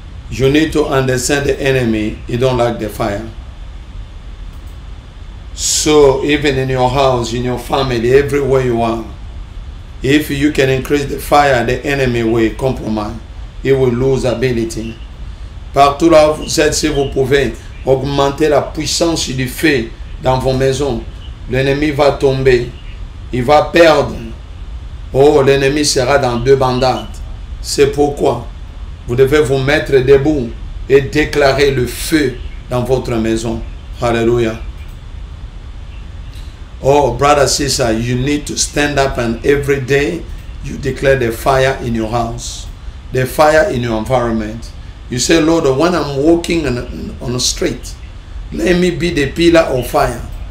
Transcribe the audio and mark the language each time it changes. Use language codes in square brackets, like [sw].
[en] You need to understand the enemy, he don't like the fire. So even in your house, in your family, everywhere you are, if you can increase the fire, the enemy will compromise. He will lose ability. [fr] Partout là où vous êtes, si vous pouvez augmenter la puissance du feu dans vos maisons, l'ennemi va tomber. Il va perdre. Oh, l'ennemi sera dans deux bandades. C'est pourquoi vous devez vous mettre debout et déclarer le feu dans votre maison. Alléluia. [en] Oh, brother, sister, you need to stand up and every day you declare the fire in your house, the fire in your environment. You say, Lord, when I'm walking on the street, let me be the pillar of fire.